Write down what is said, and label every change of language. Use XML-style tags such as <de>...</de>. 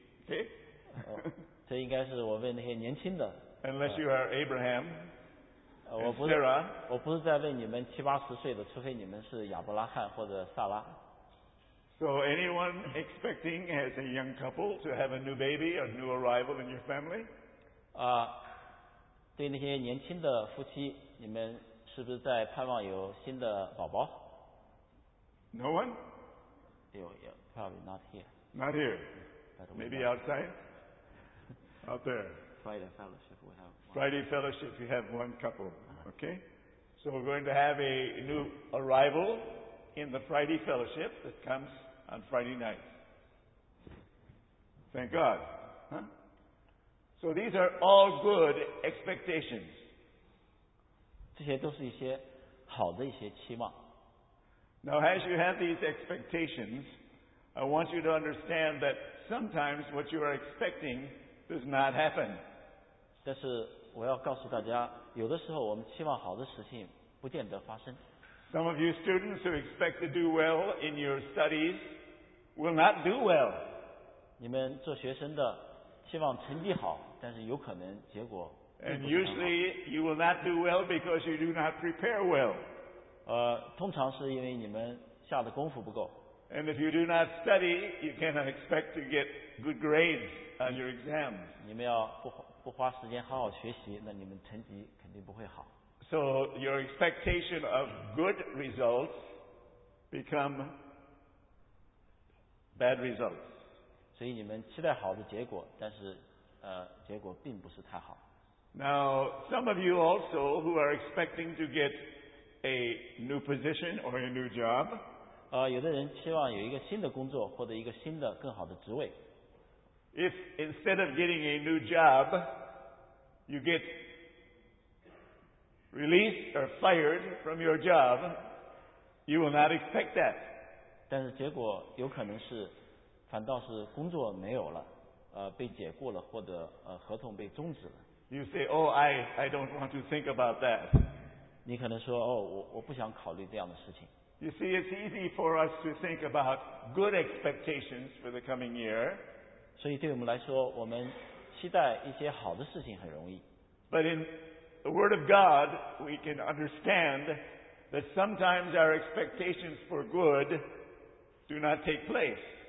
<en>Okay?</en> <zh>这应该是我问那些年轻的。</zh> <en>Unless you are Abraham and Sarah.</en> <zh>我不是在问你们七八十岁的，除非你们是亚伯拉罕或者萨拉。</zh> <en>So anyone expecting as a young couple to have a new baby or new arrival in your family?</en> <zh>对那些年轻的夫妻，你们是不是在盼望有新的宝宝？</zh> <en>No one? Probably not here. Not here. Maybe outside? Out there. Friday fellowship, we have one. Friday fellowship, you have one couple. Okay? So we're going to have a new arrival in the Friday fellowship that comes on Friday night. Thank God. So these are all good expectations.</en> <zh>这些都是一些好的一些期望。</zh> <en>Now, as you have these expectations, I want you to understand that sometimes what you are expecting does not happen.</en> <zh>但是我要告诉大家，有的时候我们期望好的事情不见得发生。</zh> <en>Some of you students who expect to do well in your studies will not do well.</en> <zh>你们做学生的期望成绩好，但是有可能结果并不是很好。</zh> <en>And usually you will not do well because you do not prepare well.</en> <zh>通常是因为你们下的功夫不够。</zh> <en>And if you do not study, you cannot expect to get good grades on your exams.</en> <zh>你们要不花时间好好学习，那你们成绩肯定不会好。</zh> <en>So your expectation of good results become bad results.</en> <zh>所以你们期待好的结果，但是结果并不是太好。</zh> <en>Now some of you also who are expecting to get a new position or a new job.</en> <zh>有的人期望有一个新的工作或者一个新的更好的职位。</zh> <en>If instead of getting a new job, you get released or fired from your job, you will not expect that.</en> <zh>但是结果有可能是反倒是工作没有了，被解雇了或者合同被终止了。</zh> <en>You say, I don't want to think about that.</en> <zh>你可能说我不想考虑这样的事情。</zh> <en>You see, it's easy for us to think about good expectations for the coming year.</en> <zh>所以对我们来说，我们期待一些好的事情很容易。</zh> <en>But in the Word of God, we can understand that sometimes our expectations for good do not take place.</en>